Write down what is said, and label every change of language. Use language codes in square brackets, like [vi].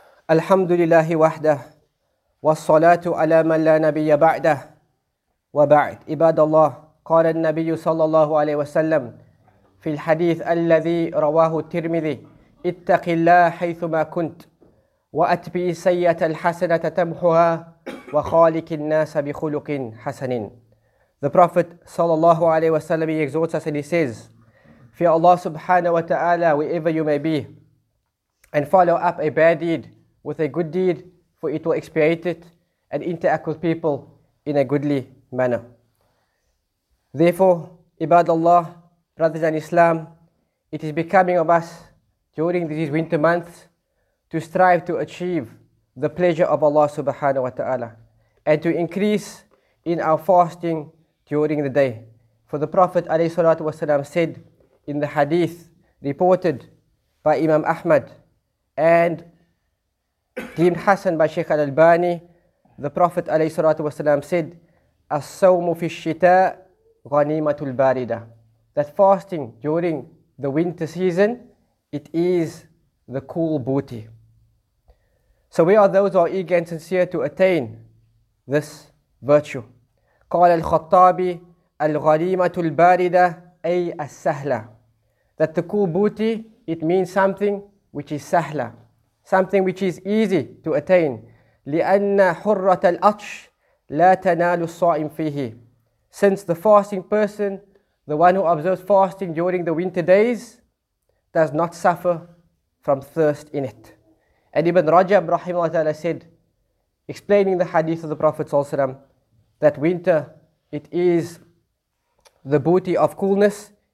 [ar] الحمد لله وحده والصلاة على من لا نبي بعده وبعد عباد الله قال النبي صلى الله عليه وسلم في الحديث الذي رواه الترمذي اتق الله حيثما كنت وأتبئ سيئة الحسنة تمحها وخالق الناس بخلق حسن. [en] The Prophet [ar] صلى الله عليه وسلم [en] he exhorts us and he says, fear Allah subhanahu wa ta'ala wherever you may be, and follow up a bad deed with a good deed, for it will expiate it, and interact with people in a goodly manner. Therefore, Ibadallah, brothers in Islam, it is becoming of us during these winter months to strive to achieve the pleasure of Allah subhanahu wa ta'ala and to increase in our fasting during the day. For the Prophet alayhi salatu wasalam said in the hadith reported by Imam Ahmad and deemed Hassan by Shaykh al-Albani, the Prophet alayhi salatu wasalam said, [ar] As-sawmu fi shita' ghanimatul barida. [en] That fasting during the winter season, it is the cool booty. So we are those who are eager and sincere to attain this virtue. [ar] قال الخطابي الغنيمة الباردة أي السهلة. [en] That the cool booty, it means something which is سهلة, something which is easy to attain. [ar] لأن حرة الأطش لا تنال الصائم فيه. [en] Since the fasting person, the one who observes fasting during the winter days, does not suffer from thirst in it. And Ibn Rajab rahimahullah ta'ala said, explaining the hadith of the Prophet ﷺ, that winter, it is the booty of coolness.